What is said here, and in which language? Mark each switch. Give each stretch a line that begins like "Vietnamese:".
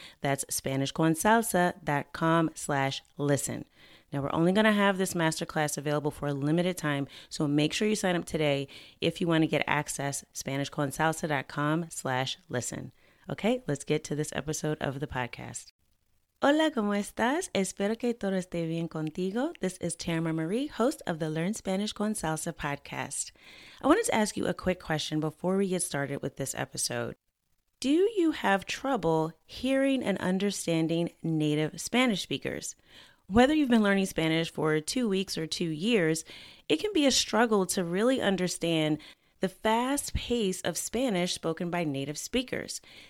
English: That's SpanishConSalsa.com/listen. Now, we're only going to have this masterclass available for a limited time, so make sure you sign up today if you want to get access, SpanishConSalsa.com/listen. Okay, let's get to this episode of the podcast.
Spanish: Hola, ¿cómo estás? Espero que todo esté bien contigo.
English: This is Tamara Marie, host of the Learn Spanish con Salsa podcast. I wanted to ask you a quick question before we get started with this episode. Do you have trouble hearing and understanding native Spanish speakers? Whether you've been learning Spanish for 2 weeks or 2 years, it can be a struggle to really understand the fast pace of Spanish spoken by native speakers.